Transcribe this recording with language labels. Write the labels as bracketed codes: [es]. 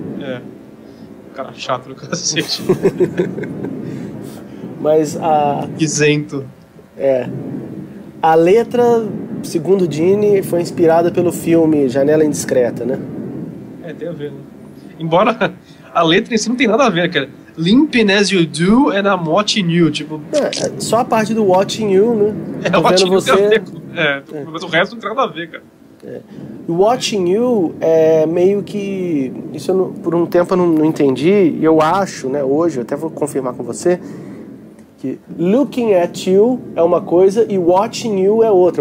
[pt] É. Cara chato do cacete. Mas a. Isento. É. A letra, segundo Dini, foi inspirada pelo filme Janela Indiscreta, né? É, tem a ver, né? Embora a letra em si não tem nada a ver, cara. [en] Limping as you do and I'm watching you, [pt] tipo... É, só a parte do [en] watching you, [pt] né? É, tô [en] watching [pt] vendo você... mas o resto não tem nada a ver, cara. É. Watching You é meio que isso eu não, por um tempo eu não entendi e eu acho, né, hoje eu até vou confirmar com você que [en] looking at you [pt] é uma coisa e [en] watching you [pt] é outra.